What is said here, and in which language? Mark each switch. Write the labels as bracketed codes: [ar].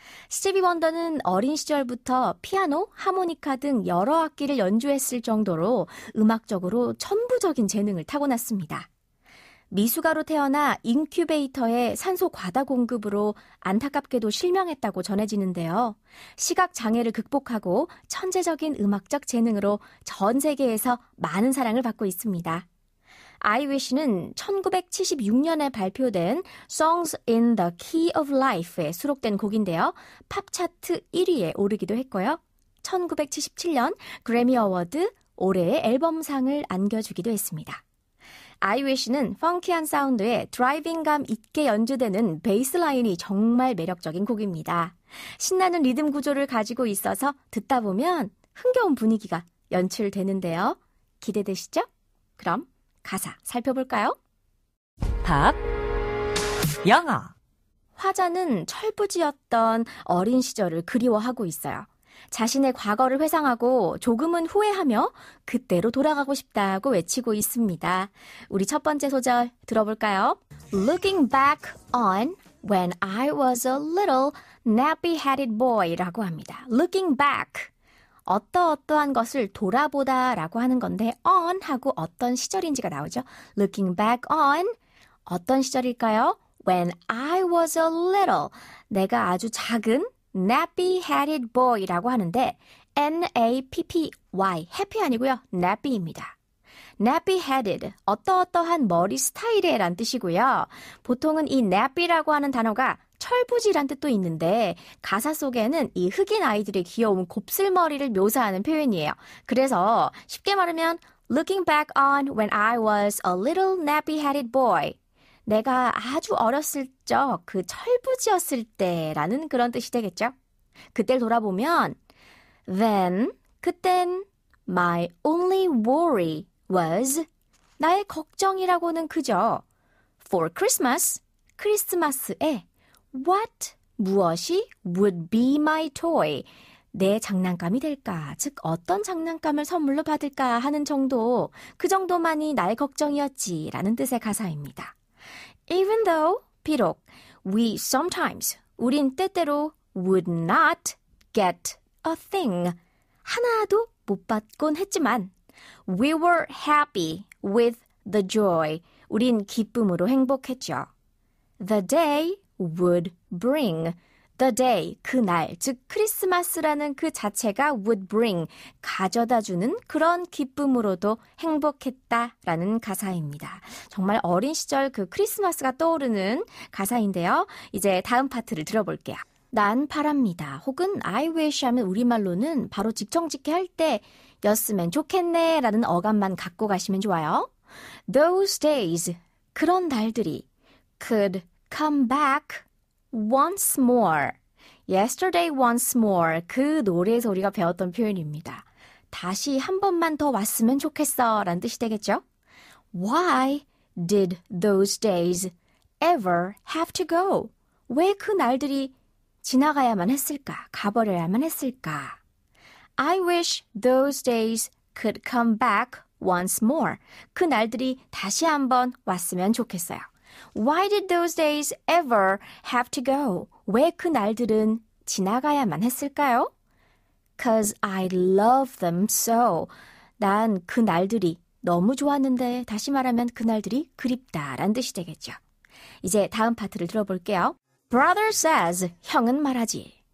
[ko] 스티비 원더는 어린 시절부터 피아노, 하모니카 등 여러 악기를 연주했을 정도로 음악적으로 천부적인 재능을 타고났습니다. 미숙아로 태어나 인큐베이터의 산소 과다 공급으로 안타깝게도 실명했다고 전해지는데요. 시각장애를 극복하고 천재적인 음악적 재능으로 전 세계에서 많은 사랑을 받고 있습니다. I Wish는 1976년에 발표된 Songs in the Key of Life에 수록된 곡인데요. 팝차트 1위에 오르기도 했고요. 1977년 그래미 어워드 올해의 앨범상을 안겨주기도 했습니다. I Wish는 펑키한 사운드에 드라이빙감 있게 연주되는 베이스라인이 정말 매력적인 곡입니다. 신나는 리듬 구조를 가지고 있어서 듣다 보면 흥겨운 분위기가 연출되는데요. 기대되시죠? 그럼 가사 살펴볼까요? 팝 영어. 화자는 철부지였던 어린 시절을 그리워하고 있어요. 자신의 과거를 회상하고 조금은 후회하며 그때로 돌아가고 싶다고 외치고 있습니다. 우리 첫 번째 소절 들어볼까요? [en] Looking back on when I was a little nappy-headed boy [ko] 라고 합니다. [en] Looking back. [ko] 어떠어떠한 것을 돌아보다라고 하는 건데 on 하고 어떤 시절인지가 나오죠. [en] Looking back on [ko] 어떤 시절일까요? [en] When I was a little [ko] 내가 아주 작은 [en] nappy-headed boy [ko] 라고 하는데 [en] N-A-P-P-Y happy [ko] 아니고요. nappy입니다. nappy-headed 어떠어떠한 머리 스타일에 란 뜻이고요. 보통은 이 nappy라고 하는 단어가 철부지란 뜻도 있는데 가사 속에는 이 흑인 아이들의 귀여운 곱슬머리를 묘사하는 표현이에요. 그래서 쉽게 말하면 [en] Looking back on when I was a little nappy-headed boy. [ko] 내가 아주 어렸을 적, 그 철부지였을 때라는 그런 뜻이 되겠죠? 그때를 돌아보면, [en] then, [ko] 그땐, [en] my only worry was, [ko] 나의 걱정이라고는 그저, [en] for Christmas, [ko] 크리스마스에, what, 무엇이 [en] would be my toy, [ko] 내 장난감이 될까, 즉 어떤 장난감을 선물로 받을까 하는 정도, 그 정도만이 나의 걱정이었지라는 뜻의 가사입니다. [en] Even though, [ko] 비록, [en] we sometimes, [ko] 우린 때때로 [en] would not get a thing, [ko] 하나도 못 받곤 했지만, [en] we were happy with the joy, [ko] 우린 기쁨으로 행복했죠. [en] The day would bring, the day, [ko] 그날, 즉 크리스마스라는 그 자체가 [en] would bring, [ko] 가져다주는 그런 기쁨으로도 행복했다라는 가사입니다. 정말 어린 시절 그 크리스마스가 떠오르는 가사인데요. 이제 다음 파트를 들어볼게요. 난 바랍니다. 혹은 I wish 하면 우리말로는 바로 직청직히 할 때였으면 좋겠네 라는 어감만 갖고 가시면 좋아요. [en] Those days, [ko] 그런 날들이 [en] could come back once more. Yesterday once more. [ko] 그 노래에서 우리가 배웠던 표현입니다. 다시 한 번만 더 왔으면 좋겠어 라는 뜻이 되겠죠? [en] Why did those days ever have to go? [ko] 왜그 날들이 지나가야만 했을까? 가버려야만 했을까? [en] I wish those days could come back once more. [ko] 그 날들이 다시 한번 왔으면 좋겠어요. [en] Why did those days ever have to go? [ko] 왜그 날들은 지나가야만 했을까요? [en] 'Cause I love them so. [ko] 난그 날들이 너무 좋았는데, 다시 말하면 그 날들이 그립다란 뜻이 되겠죠. 이제 다음 파트를 들어볼게요. [en] Brother says, [ko] 형은 말하지.